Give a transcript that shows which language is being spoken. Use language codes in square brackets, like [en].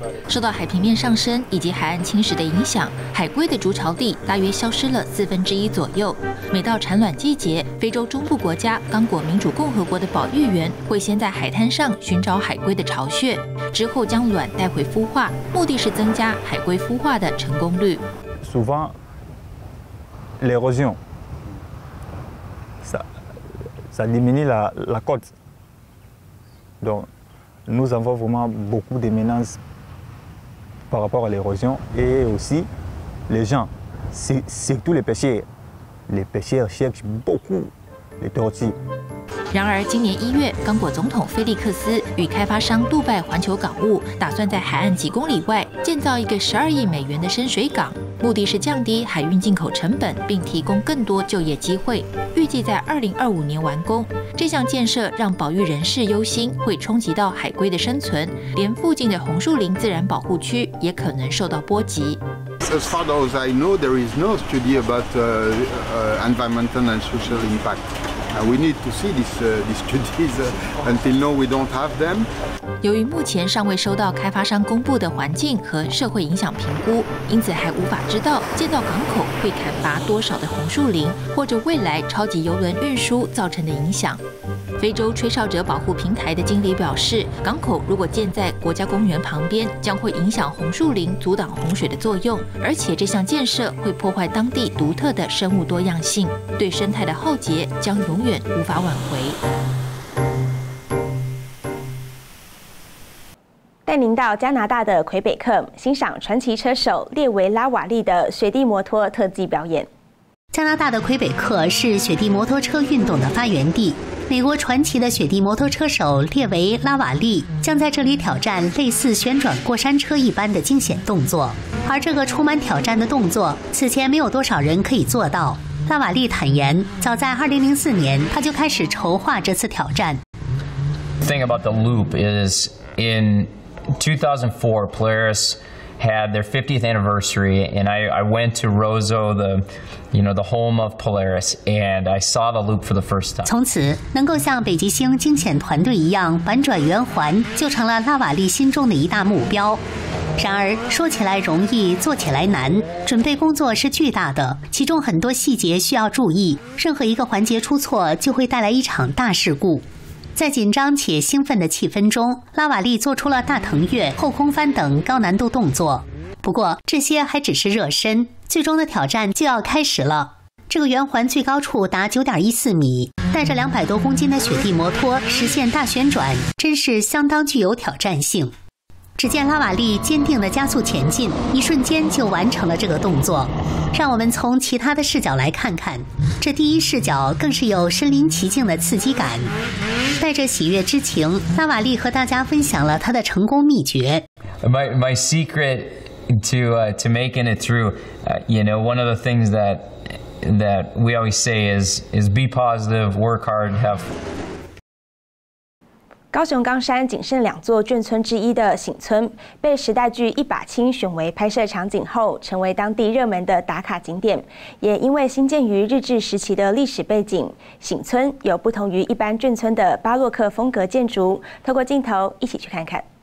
[zh] 受到海平面上升以及海岸侵蚀的影响，海龟的筑巢地大约消失了1/4左右。每到产卵季节，非洲中部国家刚果民主共和国的保育员会先在海滩上寻找海龟的巢穴，之后将卵带回孵化，目的是增加海龟孵化的成功率。 [fr] L'érosion, ça diminue la côte. Donc, nous avons vraiment beaucoup de menaces par rapport à l'érosion et aussi les gens, surtout les pêcheurs. Les pêcheurs cherchent beaucoup les tortues. [zh] 然而今年1月，刚果总统菲利克斯与开发商杜拜环球港务打算在海岸几公里外建造一个12亿美元的深水港，目的是降低海运进口成本并提供更多就业机会，预计在2025年完工。这项建设让保育人士忧心会冲击到海龟的生存，连附近的红树林自然保护区也可能受到波及。 [en] As far as I know, there is no study about environmental and social impact. We need to see these studies until now we don't have them. [zh] 由于目前尚未收到开发商公布的环境和社会影响评估，因此还无法知道建造港口会砍伐多少的红树林，或者未来超级邮轮运输造成的影响。非洲吹哨者保护平台的经理表示，港口如果建在国家公园旁边，将会影响红树林阻挡洪水的作用，而且这项建设会破坏当地独特的生物多样性，对生态的浩劫将永远无法挽回。带您到加拿大的魁北克，欣赏传奇车手列维拉瓦利的雪地摩托特技表演。加拿大的魁北克是雪地摩托车运动的发源地，美国传奇的雪地摩托车手列维拉瓦利将在这里挑战类似旋转过山车一般的惊险动作，而这个充满挑战的动作此前没有多少人可以做到。拉瓦利坦言，早在2004年他就开始筹划这次挑战。 [en] The thing about the loop is in 2004 Polaris had their 50th anniversary and I went to Roseau, the home of Polaris, and I saw the loop for the first time. [zh] 从此能够像北极星惊险团队一样反转圆环就成了拉瓦利心中的一大目标。然而说起来容易做起来难，准备工作是巨大的，其中很多细节需要注意，任何一个环节出错就会带来一场大事故。在紧张且兴奋的气氛中，拉瓦利做出了大腾跃、后空翻等高难度动作。不过，这些还只是热身，最终的挑战就要开始了。这个圆环最高处达9.14米，带着200多公斤的雪地摩托实现大旋转，真是相当具有挑战性。只见拉瓦利坚定地加速前进，一瞬间就完成了这个动作。让我们从其他的视角来看看，这第一视角更是有身临其境的刺激感。带着喜悦之情，拉瓦利和大家分享了他的成功秘诀。 [en] My secret to making it through, one of the things that we always say is be positive, work hard, have fun. [zh] 高雄冈山仅剩2座眷村之一的醒村，被时代剧《一把青》选为拍摄场景后，成为当地热门的打卡景点。也因为新建于日治时期的历史背景，醒村有不同于一般眷村的巴洛克风格建筑。透过镜头，一起去看看。